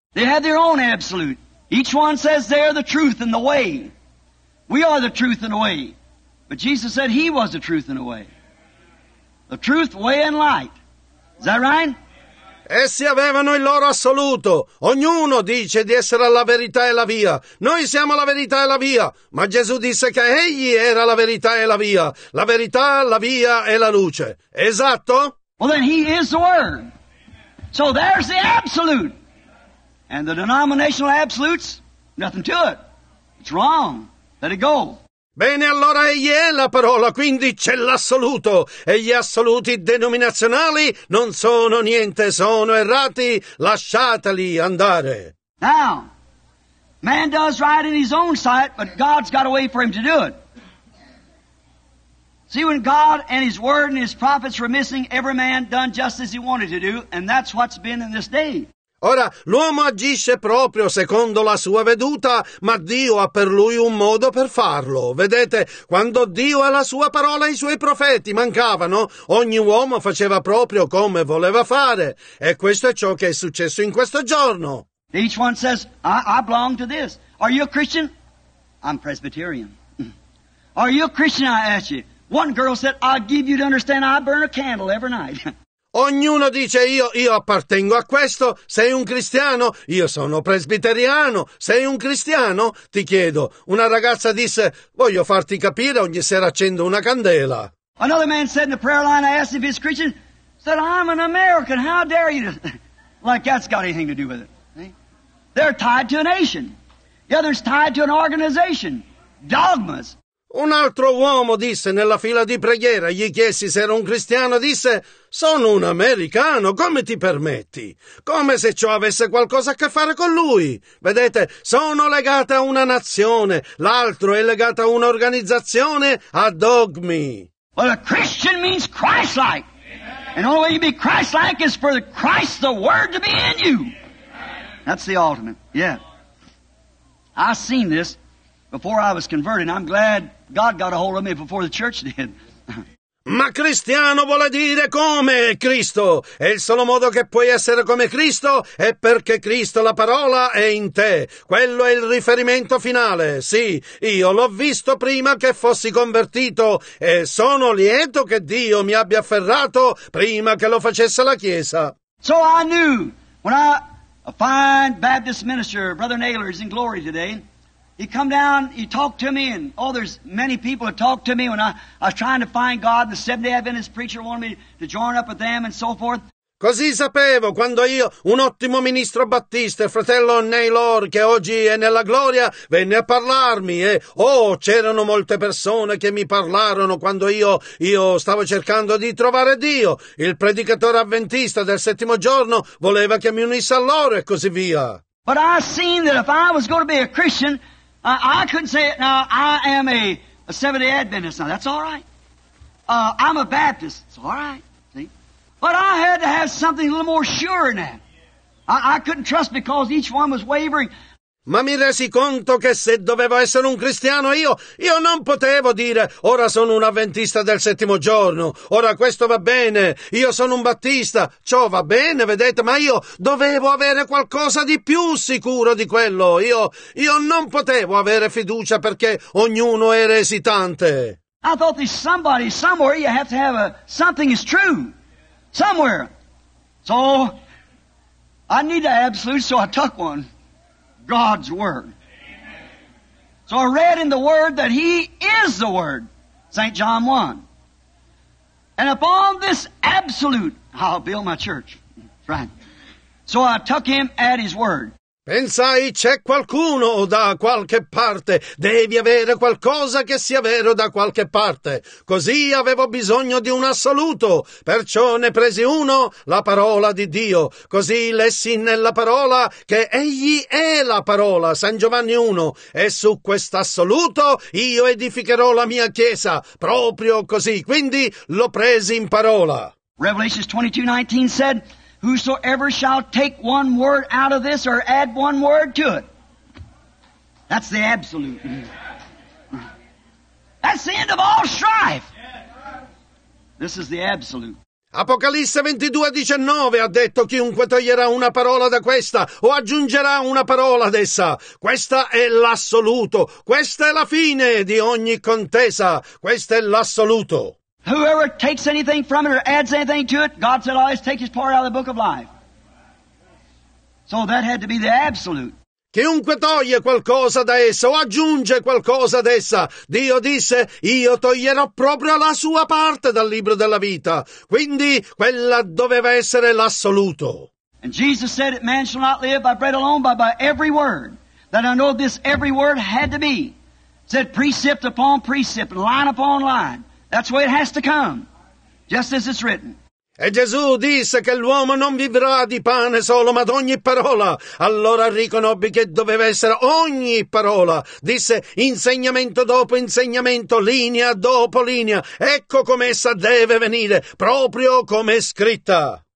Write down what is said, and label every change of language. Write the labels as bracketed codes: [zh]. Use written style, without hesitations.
[en] They had their own absolute. Each one says they are the truth and the way. We are the truth and the way. But Jesus said he was the truth and the way. The truth, way, and light. Is that right? [it] Essi avevano il loro assoluto. Ognuno dice di essere la verità e la via. Noi siamo la verità e la via. Ma Gesù disse che egli era la verità e la via. La verità, la via e la luce. Esatto? [en] Well, then he is the word. So there's the absolute. And the denominational absolutes, nothing to it. It's wrong. Let it go. [it] Bene, allora egli è la parola, quindi c'è l'assoluto. E gli assoluti denominazionali non sono niente, sono errati. Lasciateli andare. [en] Now, man does right in his own sight, but God's got a way for him to do it. See, when God and his word and his prophets were missing, every man done just as he wanted to do, and that's what's been in this day. [it] Ora, l'uomo agisce proprio secondo la sua veduta, ma Dio ha per lui un modo per farlo. Vedete, quando Dio ha la sua parola e i suoi profeti mancavano, ogni uomo faceva proprio come voleva fare. E questo è ciò che è successo in questo giorno. [en] Each one says, I belong to this. Are you a Christian? I'm Presbyterian. Are you a Christian, I ask you? One girl said, I'll give you to understand I burn a candle every night. [it] Ognuno dice io appartengo a questo, sei un cristiano? Io sono presbiteriano, sei un cristiano? Ti chiedo. Una ragazza disse, voglio farti capire, ogni sera accendo una candela. [en] Another man said in the prayer line, I asked if he's Christian, said, I'm an American, how dare you? Like that's got anything to do with it. They're tied to a nation. The other's tied to an organization. Dogmas. [it] Un altro uomo disse nella fila di preghiera, gli chiesi se era un cristiano, disse, sono un americano, come ti permetti? Come se ciò avesse qualcosa a che fare con lui. Vedete, sono legata a una nazione, l'altro è legata a un'organizzazione, a dogmi. [en] Well, a Christian means Christ-like. And the only way you be Christ-like is for Christ, the Word, to be in you. That's the ultimate, yeah. I've seen this. Before I was converted, I'm glad God got a hold of me before the church did. [it] Ma cristiano vuole dire come Cristo. È il solo modo che puoi essere come Cristo è perché Cristo, la parola, è in te. Quello è il riferimento finale. Sì, io l'ho visto prima che fossi convertito e sono lieto che Dio mi abbia afferrato prima che lo facesse la Chiesa. [en] So I knew when a fine Baptist minister, Brother Naylor, is in glory today. He come down, he talked to me, and oh, there's many people who talked to me when I was trying to find God, and the Seventh-day Adventist preacher wanted me to join up with them and so forth. [it] Così sapevo quando io, un ottimo ministro battista e fratello Neil Orr, che oggi è nella gloria, venne a parlarmi e, oh, c'erano molte persone che mi parlarono quando io stavo cercando di trovare Dio. Il predicatore avventista del settimo giorno voleva che mi unisse a loro e così via. [en] But I seen that if I was going to be a Christian, I couldn't say it now, I am a Seventh-day Adventist, now that's all right. I'm a Baptist, it's all right. But I had to have something a little more sure in that. I couldn't trust because each one was wavering. [it] Ma mi resi conto che se dovevo essere un cristiano io non potevo dire ora sono un avventista del settimo giorno, ora questo va bene, io sono un battista, ciò va bene, vedete, ma io dovevo avere qualcosa di più sicuro di quello. Io non potevo avere fiducia perché ognuno era esitante. [en] I thought there's somebody somewhere you have to have something is true. Somewhere. So, I need the absolute, so I took one. God's Word. Amen. So I read in the Word that He is the Word. St. John 1. And upon this absolute, I'll build my church. Right. So I took Him at His Word. [it] Pensai, c'è qualcuno da qualche parte, devi avere qualcosa che sia vero da qualche parte. Così avevo bisogno di un assoluto, perciò ne presi uno, la parola di Dio. Così lessi nella parola che Egli è la parola, San Giovanni 1, e su quest'assoluto io edificherò la mia chiesa, proprio così. Quindi l'ho presi in parola. [en] Revelation 22:19 said, whosoever shall take one word out of this or add one word to it. That's the absolute. That's the end of all strife. This is the absolute. [it] Apocalisse 22:19 ha detto, chiunque toglierà una parola da questa o aggiungerà una parola ad essa, questa è l'assoluto. Questa è la fine di ogni contesa. Questa è l'assoluto. [en] Whoever takes anything from it or adds anything to it, God said, always take his part out of the book of life. So that had to be the absolute. [it] Chiunque toglie qualcosa da essa o aggiunge qualcosa ad essa, Dio disse, io toglierò proprio la sua parte dal libro della vita. Quindi quella doveva essere l'assoluto. [en] And Jesus said that man shall not live by bread alone, but by every word. That I know this every word had to be. Said precept upon precept, line upon line. That's the way it has to come, just as it's written. [it] E Gesù disse che l'uomo non vivrà di pane solo, ma d'ogni parola. Allora riconobbi che doveva essere ogni parola. Disse insegnamento dopo insegnamento, linea dopo linea. Ecco come essa deve venire, proprio come è scritta.